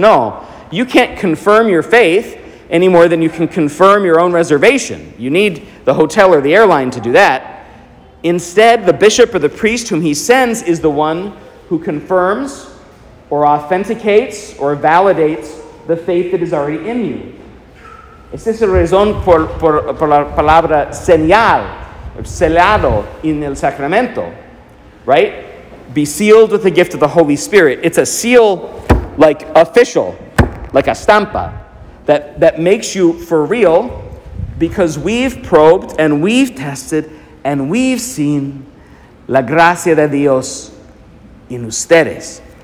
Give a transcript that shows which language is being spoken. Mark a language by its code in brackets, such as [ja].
[en] No, you can't confirm your faith any more than you can confirm your own reservation. You need the hotel or the airline to do that. Instead, the bishop or the priest whom he sends is the one who confirms or authenticates or validates the faith that is already in you. [es] Esa es la razón por la palabra señal, sellado en el sacramento, right? [en] Be sealed with the gift of the Holy Spirit. It's a seal, like official, like a stampa, that makes you for real, because we've probed and we've tested and we've seen [es] la gracia de Dios en ustedes.